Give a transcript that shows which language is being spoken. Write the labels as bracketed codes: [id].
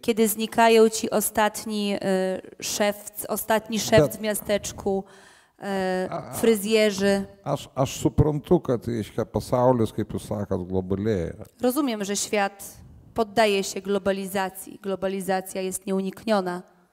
[pl] Kiedy znikają ci ostatni szewc w miasteczku, fryzjerzy. [lt] Aż suprantu, kad reiškia pasaulis, kaip jūs sakat, globalėja. [pl] Rozumiem, że świat poddaje się globalizacji. Globalizacja jest nieunikniona.